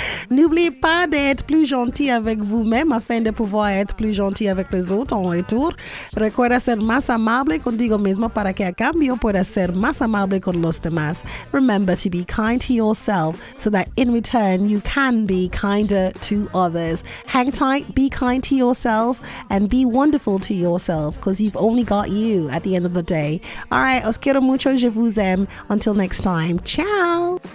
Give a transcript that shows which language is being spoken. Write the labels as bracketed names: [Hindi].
[French] N'oubliez pas d'être plus gentil avec vous-même afin de pouvoir être plus gentil avec les autres en retour. [Spanish] Recuerda ser más amable contigo mismo para que a cambio puedas ser más amable con los demás. [English] Remember to be kind to yourself so that in return you can be kinder to others. Hang tight, be kind to yourself, and be wonderful to yourself because you've only got you at the end of the day. All right, [Spanish] os quiero mucho, [French] je vous aime. [English] Until next time, ciao!